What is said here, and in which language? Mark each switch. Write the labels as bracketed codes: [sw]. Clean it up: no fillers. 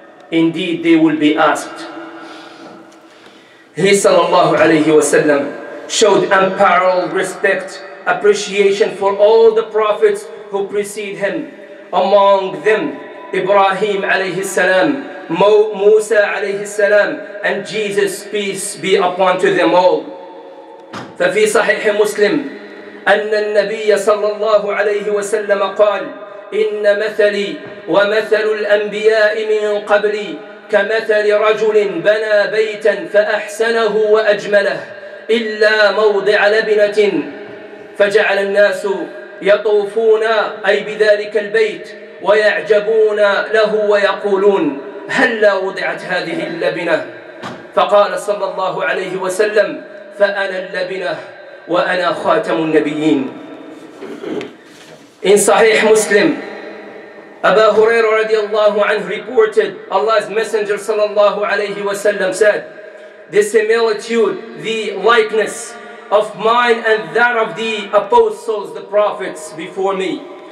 [en] Indeed, they will be asked. He sallallahu alayhi wa sallam showed unparalleled respect, appreciation for all the prophets who precede him. Among them, Ibrahim alayhi salam, Musa alayhi salam, and Jesus, peace be upon to them all. [ar] ففي صحيح مسلم أن النبي صلى الله عليه وسلم قال إن مثلي ومثل الأنبياء من قبلي كمثل رجل بنى بيتا فأحسنه وأجمله إلا موضع لبنة فجعل الناس يطوفون أي بذلك البيت ويعجبون له ويقولون هلا وضعت هذه اللبنة؟ فقال صلى الله عليه وسلم فأنا اللبنة وأنا خاتم النبيين. [en] In Sahih Muslim, Abu Hurairah radiallahu anhu reported, Allah's Messenger sallallahu alayhi wa sallam said, the similitude, the likeness of mine and that of the apostles, the prophets before me,